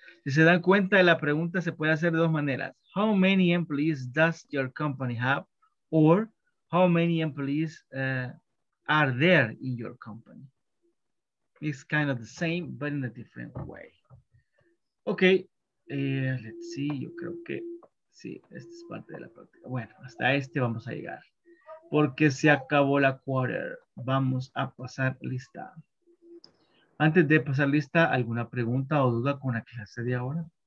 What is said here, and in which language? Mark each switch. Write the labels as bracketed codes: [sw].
[es] Si se dan cuenta, la pregunta se puede hacer de dos maneras. [en] How many employees does your company have? Or how many employees are there in your company? It's kind of the same, but in a different way. [es] Okay, let's see, yo creo que, sí, esta es parte de la práctica. Bueno, hasta este vamos a llegar, porque se acabó la quarter. Vamos a pasar lista. Antes de pasar lista, ¿alguna pregunta o duda con la clase de ahora?